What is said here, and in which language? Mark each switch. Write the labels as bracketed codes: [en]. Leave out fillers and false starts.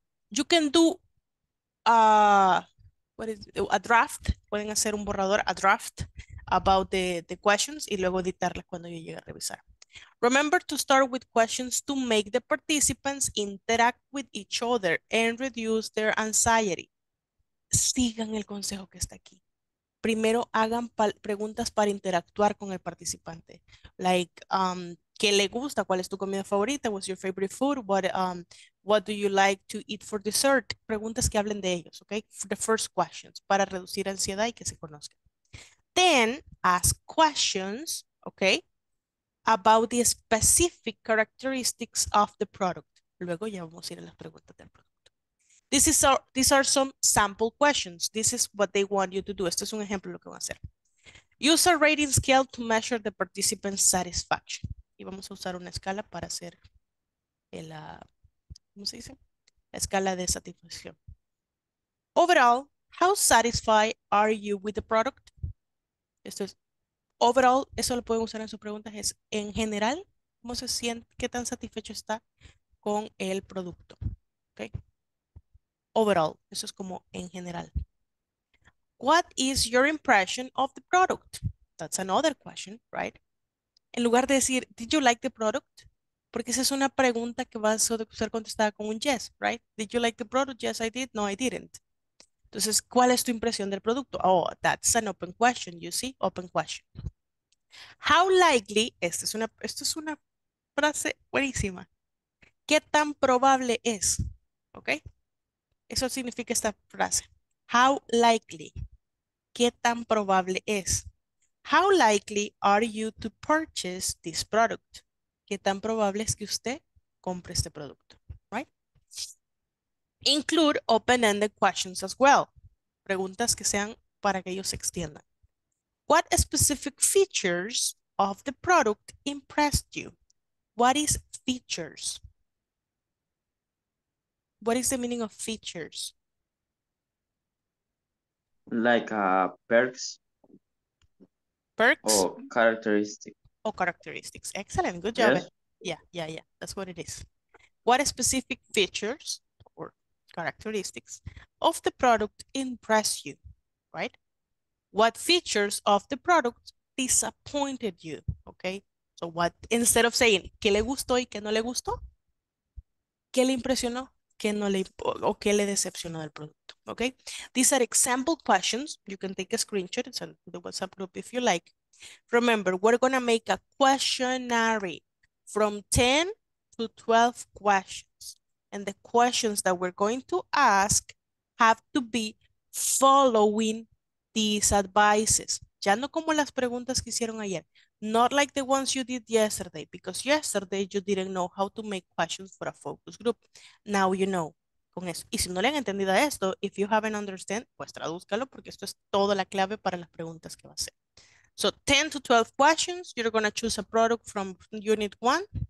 [en] You can do a draft. [es] Pueden hacer un borrador, [en] a draft, about the questions [es] y luego editarlas cuando yo llegue a revisar. [en] Remember to start with questions to make the participants interact with each other and reduce their anxiety. [es] Sigan el consejo que está aquí. Primero hagan preguntas para interactuar con el participante. Like, ¿qué le gusta? ¿Cuál es tu comida favorita? [en] What's your favorite food? What do you like to eat for dessert? [es] Preguntas que hablen de ellos, [en] okay? For the first questions, [es] para reducir ansiedad y que se conozcan. [en] Then, ask questions, okay, about the specific characteristics of the product. [es] Luego ya vamos a ir a las preguntas del producto. [en] This is our, these are some sample questions. This is what they want you to do. [es] Este es un ejemplo de lo que van a hacer. [en] Use a rating scale to measure the participant's satisfaction. [es] Y vamos a usar una escala para hacer el, ¿cómo se dice? La escala de satisfacción. [en] Overall, how satisfied are you with the product? [es] Esto es, overall, eso lo pueden usar en sus preguntas, es en general, ¿cómo se siente? ¿Qué tan satisfecho está con el producto? Okay. [en] Overall, [es] eso es como en general. [en] What is your impression of the product? That's another question, right? [es] En lugar de decir, [en] did you like the product? [es] Porque esa es una pregunta que va a ser contestada con un yes, right? [en] Did you like the product? Yes, I did. No, I didn't. [es] Entonces, ¿cuál es tu impresión del producto? [en] Oh, that's an open question, you see? Open question. How likely, [es] esta es una frase buenísima. ¿Qué tan probable es? ¿Ok? Eso significa esta frase. [en] How likely, [es] ¿qué tan probable es? [en] How likely are you to purchase this product? [es] ¿Qué tan probable es que usted compre este producto? Right? [en] Include open-ended questions as well. [es] Preguntas que sean para que ellos se extiendan. [en] What specific features of the product impressed you? What is features? What is the meaning of features? Like perks. Perks? Or characteristics. Oh, characteristics. Excellent. Good job. Yes. Yeah. That's what it is. What specific features or characteristics of the product impress you, right? What features of the product disappointed you, okay? So what, instead of saying, [es] ¿qué le gustó y qué no le gustó? ¿Qué le impresionó? ¿Qué no le, o qué le decepcionó del producto? [en] Okay? These are example questions. You can take a screenshot and send the WhatsApp group if you like. Remember, we're going to make a questionnaire from 10 to 12 questions. And the questions that we're going to ask have to be following these advices. [es] Ya no como las preguntas que hicieron ayer. [en] Not like the ones you did yesterday, because yesterday you didn't know how to make questions for a focus group. Now you know. [es] Con eso. Y si no le han entendido esto, [en] if you haven't understood, [es] pues tradúzcalo, porque esto es toda la clave para las preguntas que va a hacer. [en] So 10 to 12 questions, you're going to choose a product from unit one.